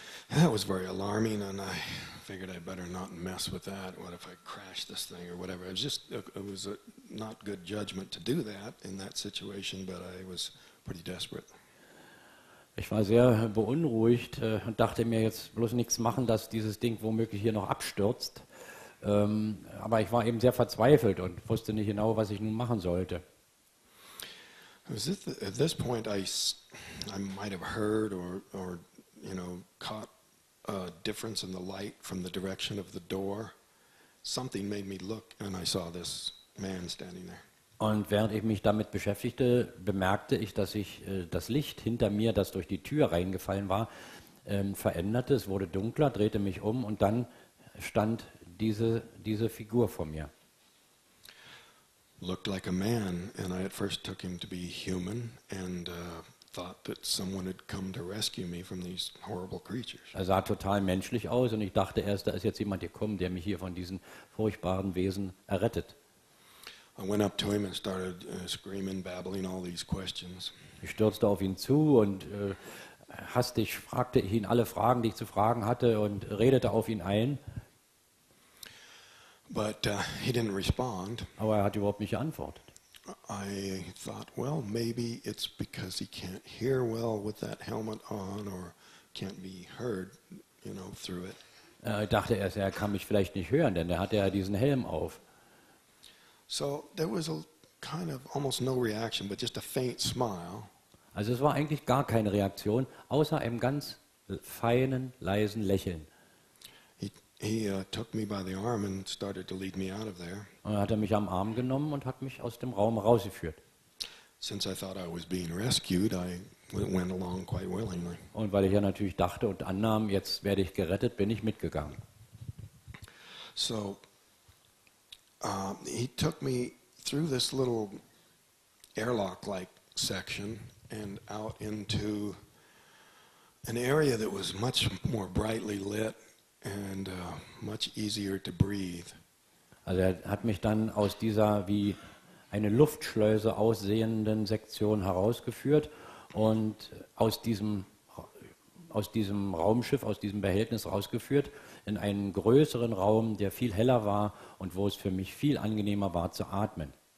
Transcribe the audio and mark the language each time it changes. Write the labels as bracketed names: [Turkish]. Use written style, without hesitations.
[English] That was very alarming, and I figured I better not mess with that. What if I crash this thing or whatever? It was not good judgment to do that in that situation, but I was pretty desperate. [German] Ich war sehr beunruhigt und dachte mir, jetzt bloß nichts machen, dass dieses Ding womöglich hier noch abstürzt. Aber ich war eben sehr verzweifelt und wusste nicht genau, was ich nun machen sollte. [English] At this point I might have heard or you know caught a difference in the light from the direction of the door. Something made me look and I saw this man standing there. [German] Und während ich mich damit beschäftigte, bemerkte ich, dass sich das Licht hinter mir, das durch die Tür reingefallen war, veränderte. Es wurde dunkler, drehte mich um und dann stand diese Figur vor mir. [English] Looked like a man, and I at first took him to be human and thought that someone had come to rescue me from these horrible creatures. [German] Er sah total menschlich aus und ich dachte erst, da ist jetzt jemand gekommen, der mich hier von diesen furchtbaren Wesen errettet. [English] I went up to him and started screaming, babbling all these questions. [German] Ich stürzte auf ihn zu und hastig fragte ich ihn alle Fragen, die ich zu fragen hatte, und redete auf ihn ein. [English] But he didn't respond. [German] Aber er hat überhaupt nicht geantwortet. [English] I thought, well, maybe it's because he can't hear well with that helmet on or can't be heard, you know, through it. [German] Ich dachte erst, er kann mich vielleicht nicht hören, denn er hatte ja diesen Helm auf. [English] So there was a kind of almost no reaction, but just a faint smile. [German] Also es war eigentlich gar keine Reaktion, außer einem ganz feinen, leisen Lächeln. [English] He took me by the arm and started to lead me out of there. [German] Und er hat mich am Arm genommen und hat mich aus dem Raum rausgeführt. [English] Since I thought I was being rescued, I went along quite willingly. [German] Und weil ich ja natürlich dachte und annahm, jetzt werde ich gerettet, bin ich mitgegangen. [English] So he took me through this little airlock-like section and out into an area that was much more brightly lit and much easier to breathe. [German] Also er hat mich dann aus dieser wie eine Luftschleuse aussehenden Sektion herausgeführt und aus diesem Raumschiff, aus diesem Behältnis rausgeführt in einen größeren Raum, der viel heller war und wo es für mich viel angenehmer war zu atmen.